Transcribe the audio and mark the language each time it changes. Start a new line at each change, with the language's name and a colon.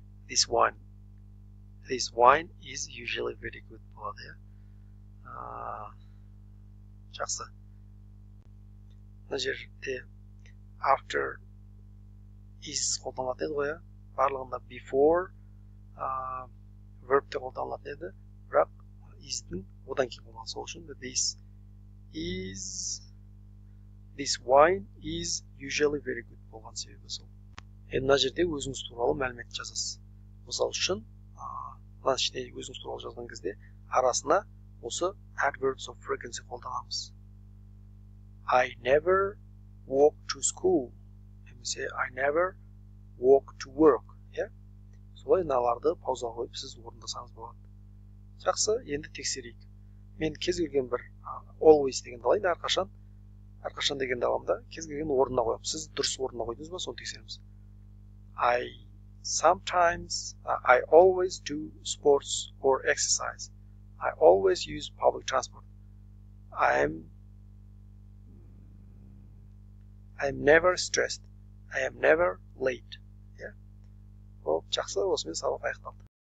English: This wine is usually very good blood. Yeah.
Kazakh: Жақсы. Мына жерде
English: after is
Kazakh: қолданылады еді ғой. Барлығында before verb-ті қолданылады еді. Бірақ is-тің одан кейін болған сол үшін
English: this is this wine is usually very good
Kazakh: болған себебі сол. Енді мына жерде өзіңіз туралы мәлімет жазасыз. Мысал үшін, мына ішінде өзіңіз туралы жазған кезде арасына осы
English: adverbs of frequency
Kazakh: қолданамыз.
English: I never walk to school.
Kazakh: Немесе
English: I never walk to work.
Kazakh: Солай мыналарды пауза қойып сіз орындасаңыз болады. Жақсы, енді тексерейік. Мен кез келген бір always дегенді алайын, әрқашан дегенді аламда кез келген орнына қоямын. Сіз дұрыс орнына қойдыңыз ба, соны тексереміз.
English: I always do sports or exercise. I always use public transport. I am never stressed. I am never late. Yeah.
Kazakh: Жақсы, осымен сабақ аяқталды.